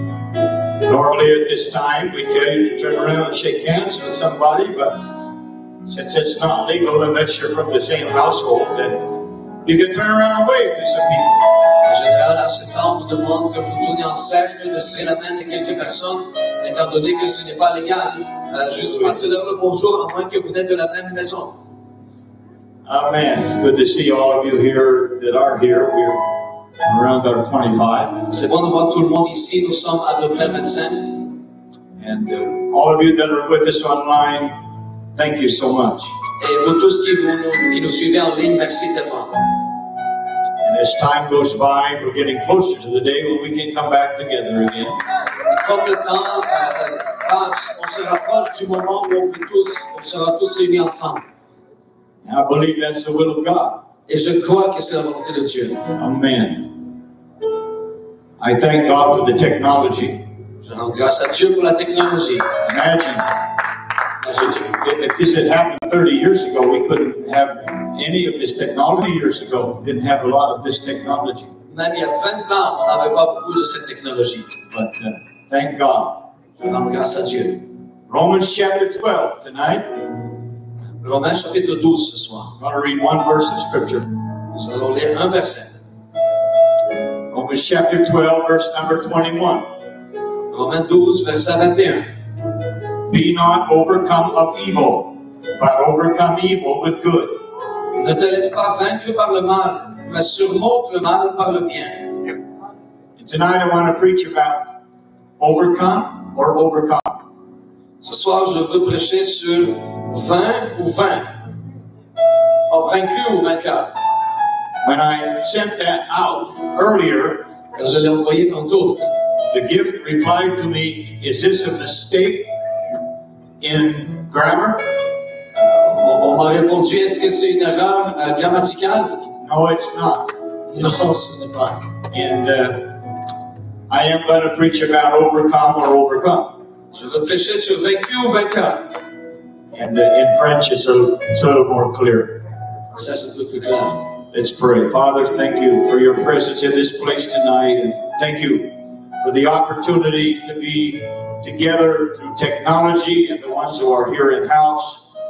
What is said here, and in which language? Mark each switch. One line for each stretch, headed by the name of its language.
English: Normally at this time, we can turn around and shake hands with somebody, but since it's not legal unless you're from the same household, then you can turn around and wave to some people.
French: En général, à ce temps, on vous demande que vous tourniez en cercle, de serrer la main de quelques personnes, étant donné que ce n'est pas légal, juste passer leur le bonjour, à moins que vous n'êtes de la même maison.
English: Amen. It's good to see all of you here that are here. We're around our 25.
French: C'est bon de voir tout le monde ici. Nous sommes à peu près 25.
English: And all of you that are with us online, thank you so much.
French: Et vous tous qui nous suivez en ligne, merci tellement.
English: And as time goes by, we're getting closer to the day when we can come back together again.
French: Et comme le temps passe, on se rapproche du moment où on sera tous réunis ensemble.
English: I believe that's the will of God.
French: Et je crois que c'est la volonté de Dieu.
English: Amen. I thank God for the technology.
French: Je rends grâce à Dieu pour la technologie.
English: Imagine. If this had happened 30 years ago, we couldn't have any of this technology years ago. Didn't have a lot of this technology.
French: Même il y a 20 ans, on n'avait pas beaucoup de cette technologie.
English: But thank God.
French: Je rends grâce à Dieu.
English: Romans chapter 12 tonight.
French: Romains chapitre 12 ce soir.
English: I'm going to read one verse of scripture.
French: Nous allons lire un verset.
English: Romans chapter 12, verse number 21.
French: Romains 12, verset 21.
English: Be not overcome of evil, but overcome evil with good.
French: Ne te laisse pas vaincre par le mal, mais surmonte le mal par le bien.
English: And tonight I want to preach about overcome or overcome.
French: Ce soir je veux prêcher sur vain ou vain, or vaincu ou vainqueur.
English: When I sent that out earlier,
French: quand je l'ai envoyé tantôt,
English: the gift replied to me, is this a mistake in grammar?
French: On m'a répondu, est-ce que c'est une erreur grammaticale?
English: No, it's not.
French: Non, ce n'est pas.
English: And I am going to preach about overcome or overcome.
French: Je veux prêcher sur vaincu ou vainqueur.
English: And in French, it's a little more clear. Let's pray. Father, thank you for your presence in this place tonight. And thank you for the opportunity to be together through technology and the ones who are here in house.